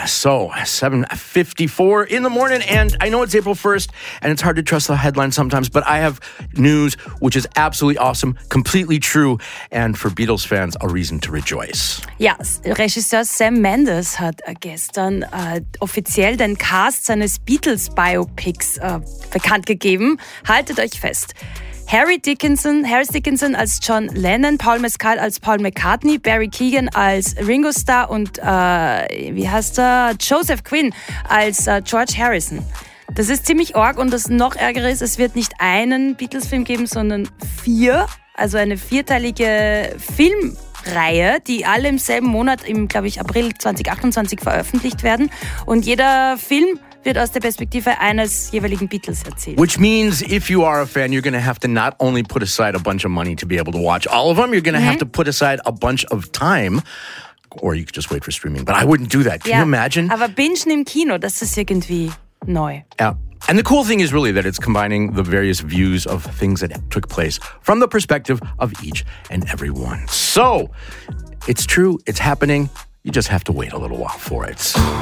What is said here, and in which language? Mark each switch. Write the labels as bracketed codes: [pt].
[en] So, 7:54 in the morning, and I know it's April 1st, and it's hard to trust the headlines sometimes, but I have news which is absolutely awesome, completely true, and for Beatles fans, a reason to rejoice. [de] Ja, Regisseur Sam Mendes hat gestern offiziell den Cast seines Beatles-Biopics bekannt gegeben. Haltet euch fest. Harris Dickinson als John Lennon, Paul Mescal als Paul McCartney, Barry Keoghan als Ringo Starr und Joseph Quinn als George Harrison. Das ist ziemlich arg, und das noch ärgere ist, es wird nicht einen Beatles-Film geben, sondern vier, also eine vierteilige Filmreihe, die alle im selben Monat, April 2028 veröffentlicht werden, und jeder Film wird aus der Perspektive eines jeweiligen Beatles erzählt. [en] Which means, if you are a fan, you're going to have to not only put aside a bunch of money to be able to watch all of them, you're going to have to put aside a bunch of time, or you could just wait for streaming. But I wouldn't do that. Can you imagine? [de] Aber bingen im Kino, das ist irgendwie neu. [en] Yeah. And the cool thing is really that it's combining the various views of things that took place from the perspective of each and every one. So, it's true, it's happening. You just have to wait a little while for it.